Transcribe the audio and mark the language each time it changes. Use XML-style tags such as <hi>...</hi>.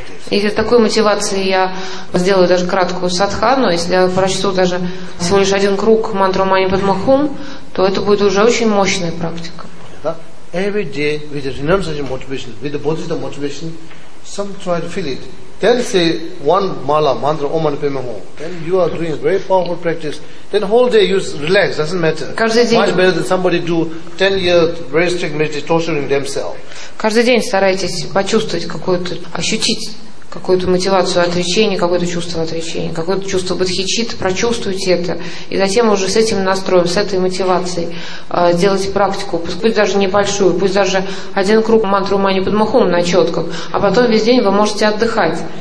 <ru>Если с такой мотивацией я сделаю даже краткую садхану, если я прочту даже всего лишь один круг мантру Мани Падме Хум, то это будет уже очень мощная практика.</ru> <en>Every day with the renunciation motivation, with the bodhisattva motivation, some try to feel it. Then say one mala mantra Om Mani Padme Hum. Then you are doing very powerful practice. Then whole day you relax, doesn't matter. Much better than somebody do 10 years very strict meditation, torturing themselves.</en> <ru>Каждый день старайтесь почувствовать какую-то, ощутить какую-то мотивацию отречения, какое-то чувство отречения, какое-то чувство бодхичитты, прочувствуйте это, и затем уже с этим настроем, с этой мотивацией делайте практику, пусть даже небольшую, пусть даже один круг мантру мани подмахом на четках, а потом весь день вы можете отдыхать.</ru>